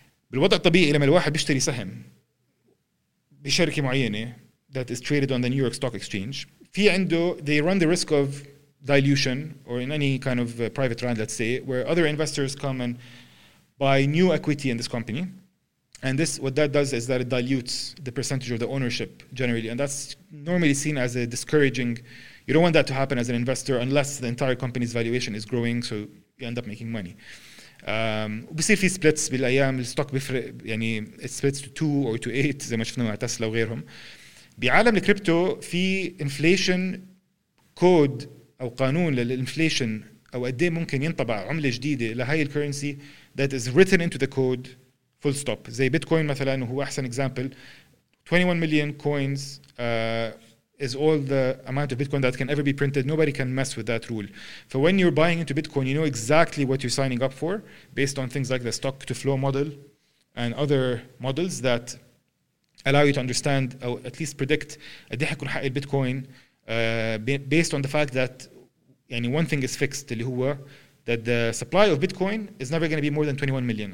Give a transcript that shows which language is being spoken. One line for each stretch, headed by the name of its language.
Arabic: بالوضع الطبيعي لما الواحد بيشتري سهم بشركة معينة
English: that is traded on the New York Stock Exchange,
Arabic: في عنده
English: they run the risk of dilution or in any kind of private round, let's say, where other investors come and buy new equity in this company. And this, what that does is that it dilutes the percentage of the ownership generally. And that's normally seen as a discouraging. You don't want that to happen as an investor unless the entire company's valuation is growing, so you end up making money.
Arabic: وبصير في splits بالأيام الستوك بيفرق يعني
English: it splits to 2 or to 8
Arabic: زي ما شفنا مع تسلا وغيرهم. بعالم الكريبتو في inflation code أو قانون للinflation أو قدي ممكن ينطبع عملة جديدة لهاي الكرنسي
English: that is written into the code full stop.
Arabic: زي بيتكوين مثلا هو أحسن example.
English: 21 million coins is all the amount of Bitcoin that can ever be printed. Nobody can mess with that rule. For when you're buying into Bitcoin, you know exactly what you're signing up for based on things like the stock to flow model and other models that allow you to understand or at least predict Bitcoin based on the fact that يعني one thing is fixed, that the supply of Bitcoin is never going to be more than 21 million.